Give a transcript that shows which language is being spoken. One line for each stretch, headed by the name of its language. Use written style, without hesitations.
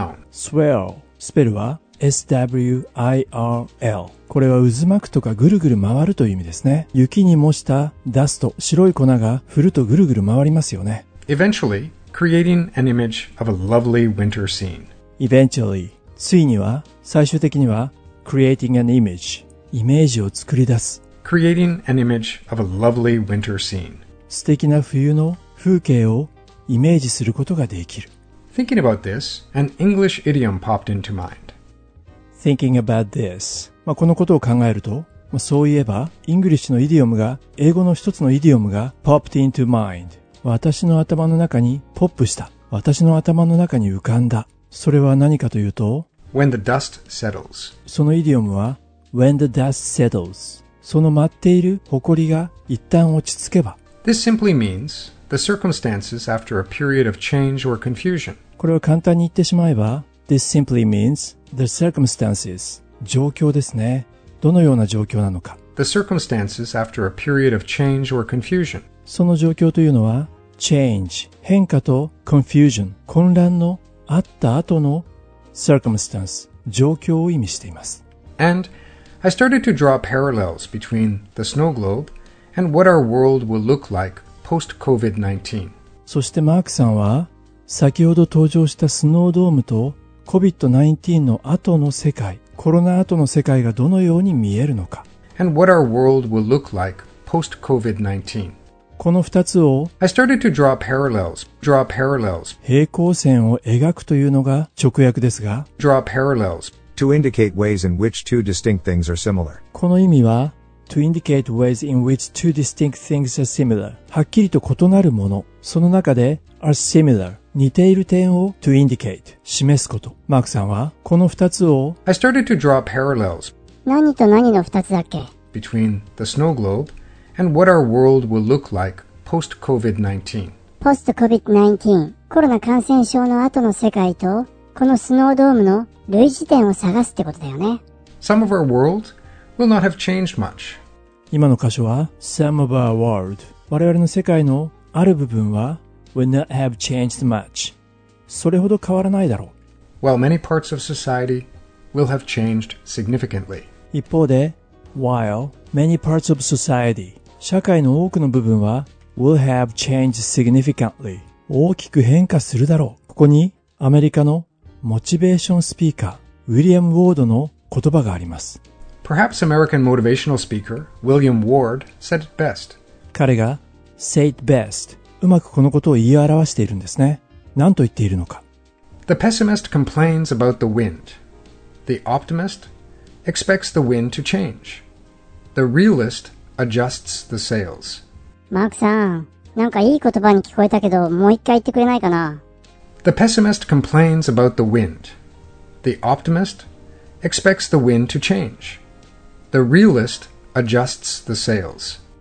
Japanese: Swirl, スペルは swirl。これは渦巻くとかぐるぐる回るという意味ですね。雪に模したダスト、白い粉が降るとぐるぐる回りますよね。
English: Eventually, creating an image of a lovely winter scene.
Japanese: Eventually, ついには、最終的には、
English: creating an image,
Japanese: イメージを作り出す。
English: Creating an image of a lovely winter scene.
Japanese: 素敵な冬の風景をイメージすることができる。
English: Thinking about this, an English idiom popped into mind. thinking about this.
Japanese: まあこのことを考えると、まあ、そういえば、English のイディオムが、英語の一つのイディオムが
English: popped into mind。
Japanese: 私の頭の中にポップした。私の頭の中に浮かんだ。それは何かというと、
English: When the dust settles.
Japanese: そのイディオムは、
English: When the dust settles.
Japanese: その舞っている埃が一旦落ち着けば。
English: This simply means the circumstances after a period of change or confusion.
Japanese: これを簡単に言ってしまえば、
English: This simply means the circumstances.
Japanese: 状況ですね。どのような状況なのか。
English: The circumstances after a period of change or confusion.
Japanese: その状況というのは、change、変化と confusion、混乱のあった後の circumstance、状況を意味しています。
English: And I started to draw parallels between the snow globe and what our world will look like post-COVID-19.
Japanese: そしてマークさんは、先ほど登場したスノードームと COVID-19 の後の世界、コロナ後の世界がどのように見えるのか。
English: And what our world will look like post-COVID-19.
Japanese: この二つを
English: I started to draw parallels.
Japanese: 平行線を描くというのが直訳ですが
English: draw parallels to indicate ways in which two distinct things are similar.
Japanese: この意味は
English: to indicate ways in which two distinct things are similar.
Japanese: はっきりと異なるものその中で
English: are similar.
Japanese: 似ている点を
English: to indicate
Japanese: 示すこと。マークさんはこの二つを
English: I started to draw parallels.
Japanese: 何と何の二つだっけ
English: between the snow globeAnd what our world will look like post-COVID-19. Post-COVID-19.
Japanese: コロナ感染症の後の世界とこのスノードームの類似点を探すってことだよね。
English: Some of our world will not have changed much.
Japanese: 今の箇所は
English: Some of our world.
Japanese: 我々の世界のある部分は
English: will not have changed much.
Japanese: それほど変わらないだろう。
English: While many parts of society will have changed significantly.
Japanese: 一方で
English: While many parts of society,
Japanese: 社会の多くの部分は
English: will have changed significantly.
Japanese: 大きく変化するだろう。ここにアメリカのモチベーションスピーカー、ウィリアム・ウォードの言葉があります。
English: Perhaps American motivational speaker, William Ward, said it best.
Japanese: 彼が
English: said best.
Japanese: うまくこのことを言い表しているんですね。何と言っているのか。
English: The pessimist complains about the wind. The optimist expects the wind to change. The realist adjusts the sails.
Japanese: マークさん、なんかいい言葉に聞こえたけど、もう一回言ってくれないかな?
English: The pessimist complains about the wind. The optimist expects the wind to change. The realist adjusts the sails.